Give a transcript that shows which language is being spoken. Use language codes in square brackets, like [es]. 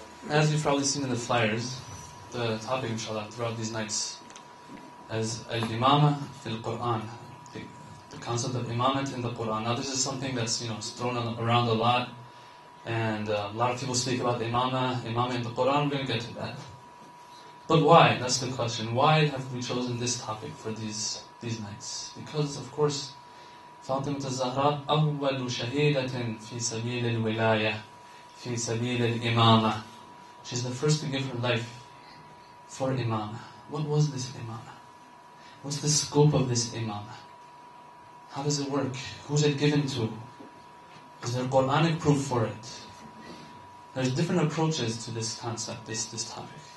[en] As you've probably seen in the flyers, the topic, inshallah, throughout these nights, as al-imama fil Quran, the concept of imamat in the Quran. Now, this is something that's thrown around a lot. And a lot of people speak about the imamah in the Qur'an, we're going to get to that. But why? That's the question. Why have we chosen this topic for these nights? Because, of course, [ar] فاطمة الزهراء أول شهيدة في سبيل الولاية في سبيل الإمامة. [en] She's the first to give her life for imamah. What was this imamah? What's the scope of this imamah? How does it work? Who's it given to? Is there a Qur'anic proof for it? There's different approaches to this concept, this topic.